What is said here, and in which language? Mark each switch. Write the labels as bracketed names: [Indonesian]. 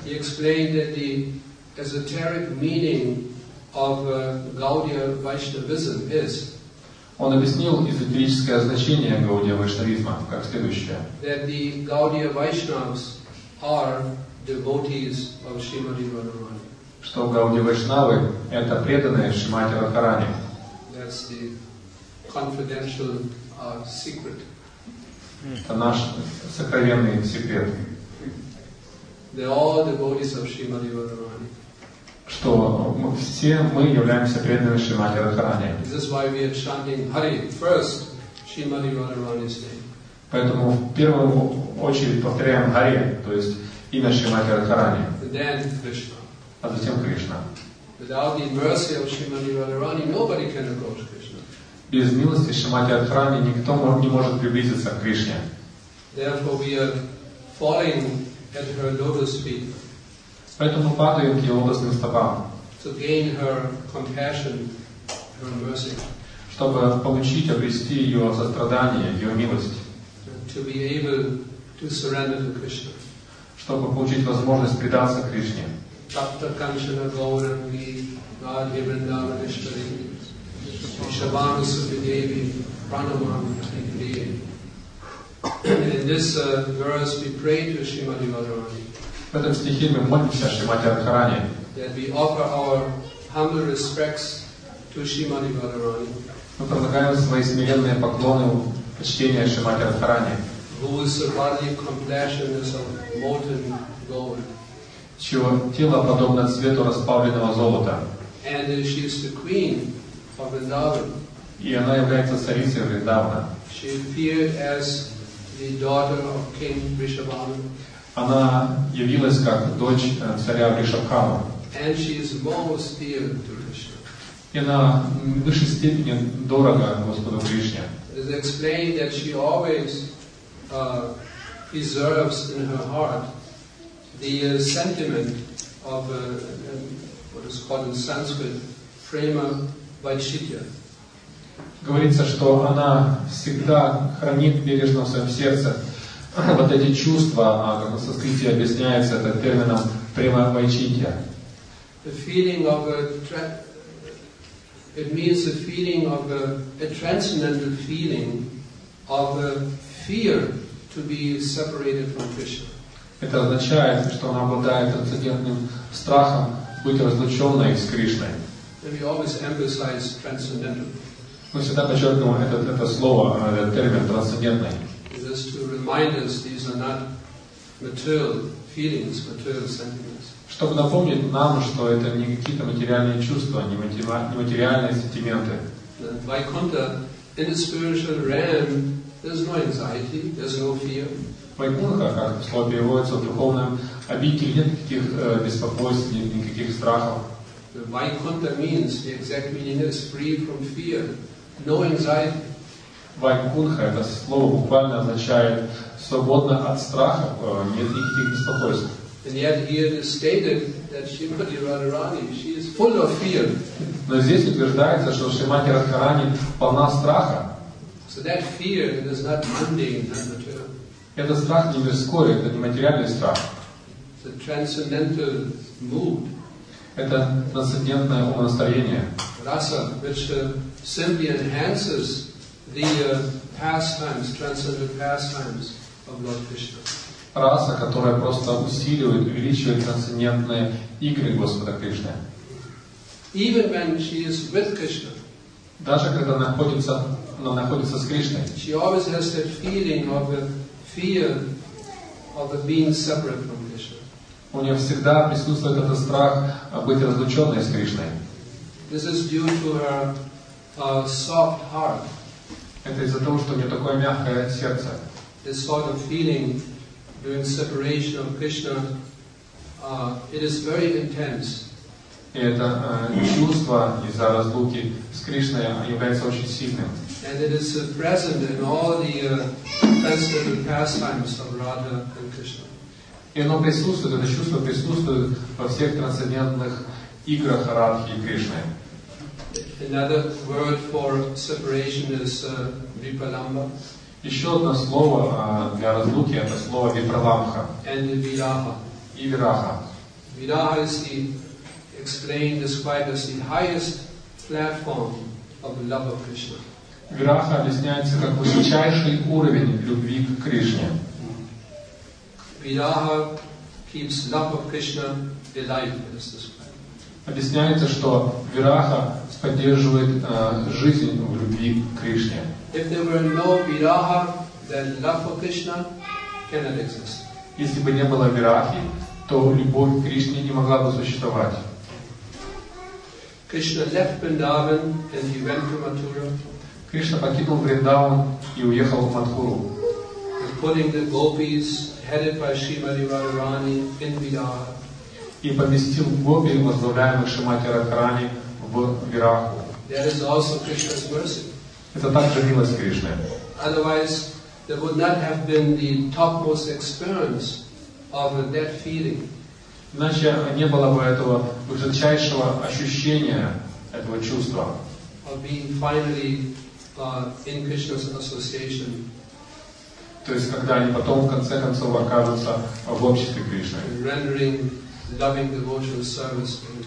[English] He explained that the esoteric meaning of Gaudiya Vaishnavism is. [Russian] Он объяснил эзотерическое значение Гаудия Вайшнавизма как следующее. [English] That the Gaudiya Vaishnavas are devotees of Srimati Radharani. [Russian] Что Гаудия Вайшнавы – это преданные Шримати Радхарани. [English] That's the confidential secret. [Russian] Это наш сокровенный секрет. [English] They are devotees of Srimati Radharani. [Russian] Что все мы являемся преданными Шримати Радхарани. [English] This is why we are chanting Hari first, Srimati Radharani's name. [Russian] Поэтому в первую очередь повторяем Hari, то есть имя Шримати Радхарани. [English] Then Krishna. [Russian] А затем Кришна. [English] Without the mercy of Srimati Radharani, nobody can approach Krishna. [Russian] Без милости Шримати Радхарани никто не может приблизиться к Кришне. [English] Therefore we are falling at her lotus feet. [Russian] Поэтому падаем к его лотосным стопам. [English] To gain her compassion, her mercy. [Russian] Чтобы получить, обрести ее сострадание, ее милость. [English] To be able to surrender to Krishna. [Russian] Чтобы получить возможность предаться Кришне. [Sanskrit] Dr. Kanchana Gaurangi, Radhe Vrindavanishwari, Shabana Subhadevi, Pranamami, Kriya. [English] In this verse we pray to Srimati Radharani. [Russian] В этом стихе мы молимся Шримати Радхарани. [English] That we offer our humble respects to Srimati Radharani. [Russian] Мы предлагаем свои смиренные поклоны, почтение Шримати Радхарани. [English] Who is the body of compassion is of molten gold. [Russian] чьё тело подобно цвету расплавленного золота. [English] And she is the queen of Vrindavan. [Russian] И она является царицей Вриндавана. [English] She appeared as the daughter of King Vrishabhanu. [Russian] Она явилась как дочь царя Вришабхану. [English] And she is most dear to Krishna. [Russian] И она в высшей степени дорога Господу Кришне. [English] It is explained that she always preserves in her heart the sentiment of what is called in Sanskrit prema vaishitya. [Russian] Говорится, что она всегда хранит бережно в своем сердце вот эти чувства, как на санскрите объясняется это термином prema vaishitya. [English] The feeling of it means a feeling of a transcendental feeling of fear to be separated from Krishna. [Russian] Это означает, что она обладает трансцендентным страхом быть разлученной с Кришной. [English] And we always emphasize transcendental. [Russian] Мы всегда подчеркиваем это слово, этот термин трансцендентный. [English] Just to remind us, these are not material feelings, material sentiments. [Russian] Чтобы напомнить нам, что это не какие-то материальные чувства, не материальные сентименты. [English] Vaikuntha, in the spiritual realm, there's no anxiety, there's no fear. [Russian] Vaikuntha, как слово переводится в духовном обители, нет никаких беспокойств, никаких страхов. [English] Vaikuntha means, the exact meaning is free from fear, no anxiety. [Russian] Vaikuntha, это слово буквально означает свободно от страхов, нет никаких беспокойств. [English] And yet here it is stated that Srimati Radharani, she is full of fear. [Russian] Но здесь утверждается, что Шримати Радхарани полна страха. [English] So that fear is not mundane, not material. [Russian] Это страх не мирской, это не материальный страх. [English] It's a transcendental mood. [Russian] Это трансцендентное умонастроение. [English] Rasa, which simply enhances the pastimes, transcendental pastimes of Lord Krishna. [Russian] Раса, которая просто усиливает, увеличивает трансцендентные игры Господа Кришны. [English] Even when she is with Krishna, [Russian] даже когда она находится с Кришной, [English] she always has that feeling of a fear of being separate from Krishna. [Russian] У нее всегда присутствует этот страх быть разлученной с Кришной. [English] This is due to her soft heart. [Russian] Это из-за того, что у нее такое мягкое сердце. [English] This sort of feeling during separation of Krishna, it is very intense. [Russian] И это чувство из-за разлуки с Кришной является очень сильным. [English] And it is present in all the festival pastimes of Radha and Krishna. [Russian] И оно присутствует, это чувство присутствует во всех трансцендентных играх Радхи и Кришны. [English] Another word for separation is vipalamba. [Russian] Еще одно слово для разлуки – это слово «випраламха». [English] And «вираха». [Russian] И «вираха». [English] «Вираха» is the, explained, described as the highest platform of love of Krishna. [Russian] «Вираха» объясняется как высочайший уровень любви к Кришне. [English] «Вираха» keeps love of Krishna alive, as described. [Russian] Объясняется, что «вираха» поддерживает жизнь в любви к Кришне. [English] If there were no viraha, then love for Krishna cannot exist. [Russian] Если бы не было вирахи, то любовь к Кришне не могла бы существовать. [English] Krishna left Vrindavan and he went to Mathura. [Russian] Кришна покинул Вриндаван и уехал в Матхуру. [English] And putting the gopis headed by Srimati Radharani in viraha. [Russian] И поместил гопи, возглавляемых Шримати Радхарани, в вираху. [English] There is also Krishna's mercy. [Russian] Это также милость Кришны. [English] Otherwise, there would not have been the topmost experience of that feeling. [Russian] Иначе не было бы этого высочайшего ощущения этого чувства. [English] Of being finally in Krishna's association. [Russian] То есть, когда они потом в конце концов окажутся в обществе Кришны. [English] Rendering loving devotional service.